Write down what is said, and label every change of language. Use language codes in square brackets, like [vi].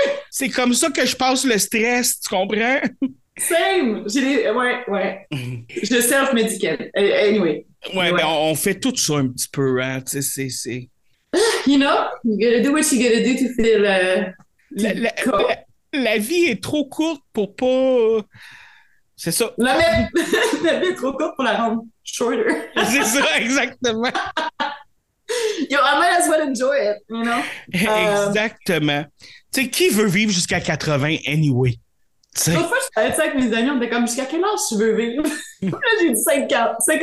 [fr] C'est comme ça que je passe le stress, tu comprends? Same! Je self-medical. Anyway. Ouais, ben on fait tout ça un petit peu, hein? Tu sais, c'est... [en] You know, you gotta do what you gotta do to feel... [fr] La vie est trop courte pour pas... C'est ça. La vie est trop courte pour la rendre shorter. C'est ça, exactement. [en] Yo, I might as well enjoy it, you know? [fr] Exactement. Tu sais, qui veut vivre jusqu'à 80 anyway? T'sais. La fois, je parlais de ça avec mes amis, on était comme, jusqu'à quel âge tu veux vivre? Là, j'ai dit 54.